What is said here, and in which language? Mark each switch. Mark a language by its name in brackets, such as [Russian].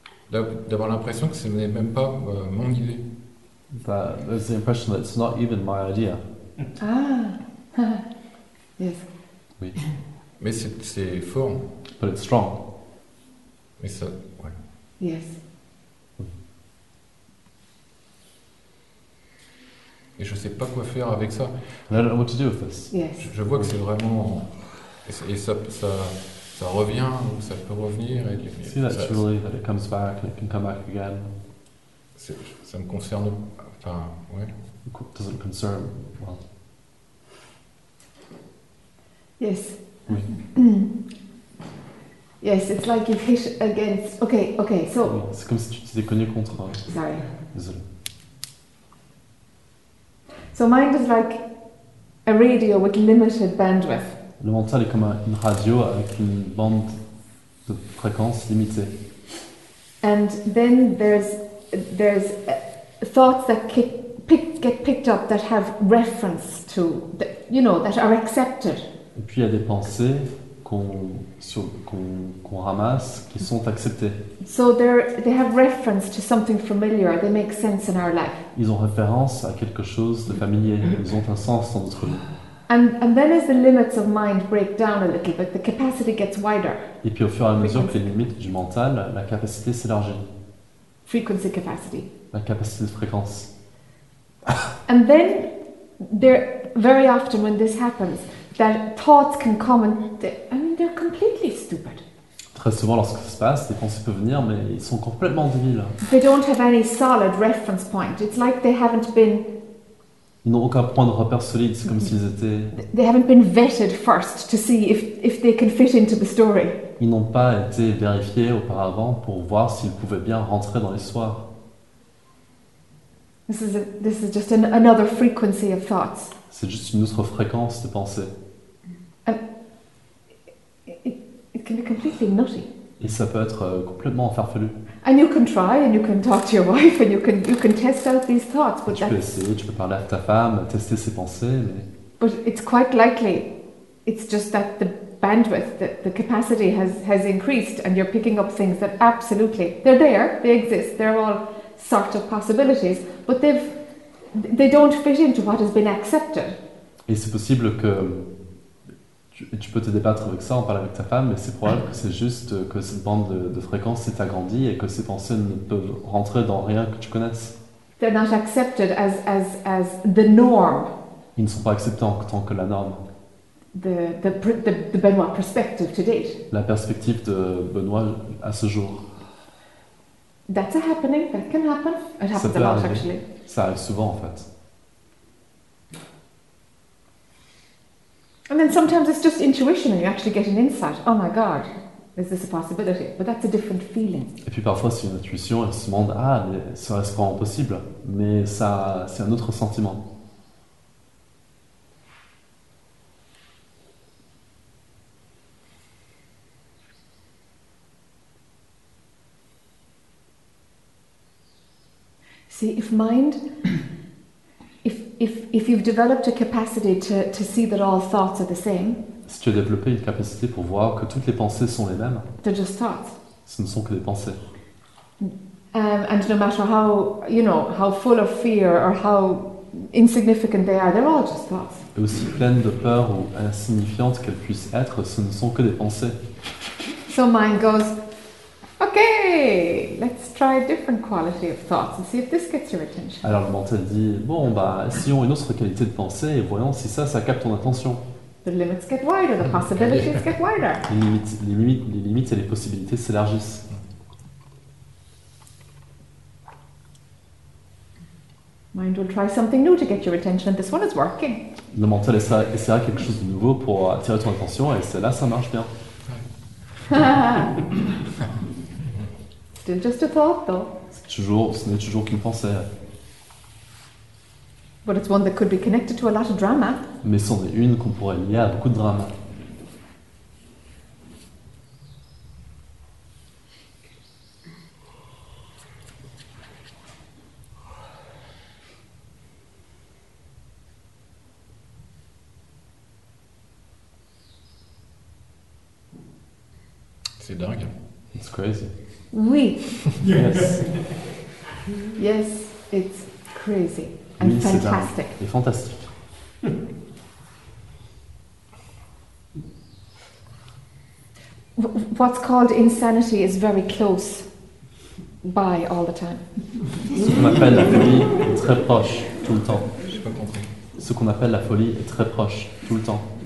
[French] D'avoir l'impression que ce n'est même pas mon idée. [English] That there's the impression that it's not even my idea. Ah! Yes. [French] Oui. Mais c'est fort. [English] But it's strong. [French] Mais ça. Ouais. [English] Yes. [French] Et je ne sais pas quoi faire avec ça. [English] I don't know what to do with this. Yes. [French] Je vois que c'est vraiment et ça revient ou ça peut revenir. Et [English] see that truly that it comes back and it can come back again. [French] Ça me concerne. Enfin, ouais. [English] It doesn't concern. Well. Yes. [French] Oui. [English] Yes, it's like you hit against. Okay. So. [French] Oui, c'est comme si tu t'étais cogné contre. [English] Sorry. [French] Désolé. [English] So mind is like a radio with limited bandwidth. [French] Le mental est comme une radio avec une bande de fréquence limitée. [English] And then there's thoughts that get picked up that have reference to, that, you know, that are accepted. [French] Et puis il y a des pensées qu'on ramasse qui sont acceptées. [English] So they have reference to something familiar. They make sense in our life. [French] Ils ont référence à quelque chose de familier. Ils ont un sens dans notre vie. [English] And then as the limits of mind break down a little bit, the capacity gets wider. [French] Et puis au fur et à mesure que les limites du mental, la capacité s'élargit. [English] Frequency capacity. [French] La capacité de fréquence. [English] And then there very often when this happens, that thoughts can come and they're completely stupid. [French] Très souvent lorsque ça se passe, les pensées peuvent venir mais ils sont complètement débiles. [English] They don't have any solid reference point. It's like they haven't been. [French] Ils n'ont aucun point de repère solide, c'est comme s'ils étaient. [English] They haven't been vetted first to see if they can fit into the story. [French] Ils n'ont pas été vérifiés auparavant pour voir s'ils pouvaient bien rentrer dans l'histoire. [English] This is just another frequency of thoughts. [French] C'est juste une autre fréquence de pensée. [English] It can be completely nutty. [French] Et ça peut être complètement farfelu. [English] And you can try, and you can talk to your wife, and you can test out these thoughts. But [French] tu peux essayer, tu peux parler à ta femme, tester ses pensées, mais. [English] But it's quite likely, it's just that the bandwidth, the capacity has increased, and you're picking up things that absolutely they're there, they exist, they're all sort of possibilities, but they don't fit into what has been accepted. [French] Et c'est possible que tu peux te débattre avec ça, en parler avec ta femme, mais c'est probable que c'est juste que cette bande de fréquence s'est agrandie et que ces pensées ne peuvent rentrer dans rien que tu connaisses. [English] They're not accepted as the norm. [French] Ils ne sont pas acceptés en tant que la norme. [English] The Benoît perspective to date. [French] La perspective de Benoît à ce jour. [English] That's a happening. That can happen. It happens a lot, [French] arriver. [English] Actually. [French] Ça arrive souvent, en fait. [English] And then sometimes it's just intuition, and you actually get an insight. Oh my God, is this a possibility? But that's a different feeling. [French] Et puis parfois c'est une intuition, elle se demande, ah, mais serait-ce vraiment possible? Mais ça, c'est un autre sentiment. [English] See, if mind. If you've developed a capacity to see that all thoughts are the same. [French] Si tu as développé une capacité pour voir que toutes les pensées sont les mêmes. [English] They're just thoughts. [French] Ce ne sont que des pensées. [English] And no matter how, you know, how full of fear or how insignificant they are, they're all just thoughts. [French] Et aussi pleines de peur ou insignifiantes qu'elles puissent être, ce ne sont que des pensées. [English] So mind goes, okay, let's try a different quality of thoughts and see if this gets your attention. [French] Alors le mental dit, bon, bah, essayons une autre qualité de pensée et voyons si ça capte ton attention. [English] The limits get wider, the possibilities get wider. [French] Les limites et les possibilités s'élargissent. [English] Mind will try something new to get your attention and this one is working. [French] Le mental essaiera quelque chose de nouveau pour attirer ton attention et celle-là, ça marche bien. [English] Still just a thought, though. [French] Ce n'est toujours qu'une pensée. [English] But it's one that could be connected to a lot of drama. [French] Mais c'en est une qu'on pourrait lier à beaucoup de drama. C'est dingue. [English] It's crazy. [French] Oui. [English] Yes. Yes, it's crazy and [French] oui, [English] fantastic. [French] C'est fantastique. [English] What's called insanity is very close by all the time. [French] Ce qu'on appelle la folie est très proche tout le temps. J'ai pas compris. Ce qu'on appelle la folie est très proche tout le temps.